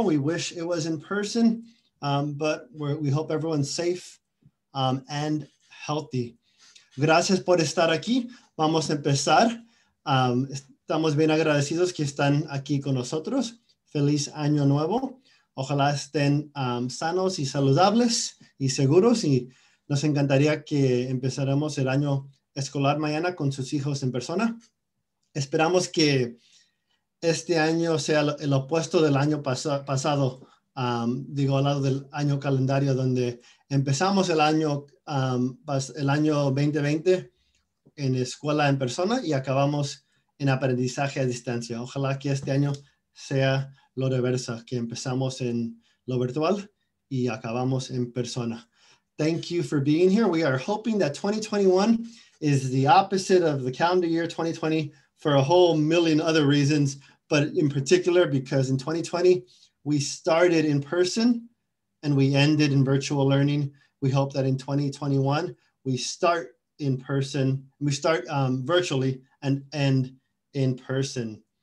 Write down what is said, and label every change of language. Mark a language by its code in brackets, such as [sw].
[en] We wish it was in person, but we hope everyone's safe and healthy. [es] Gracias por estar aquí. Vamos a empezar. Estamos bien agradecidos que están aquí con nosotros. Feliz Año Nuevo. Ojalá estén sanos y saludables y seguros. Y nos encantaría que empezáramos el año escolar mañana con sus hijos en persona. Esperamos que este año sea el opuesto del año pasado. Digo, al lado del año calendario donde empezamos el año 2020 en escuela en persona y acabamos en aprendizaje a distancia. Ojalá que este año sea lo reversa, que empezamos en lo virtual y acabamos en persona. [en] Thank you for being here. We are hoping that 2021 is the opposite of the calendar year 2020 for a whole million other reasons, but in particular because in 2020, we started in person and we ended in virtual learning. We hope that in 2021, we start in person, we start virtually and end in person.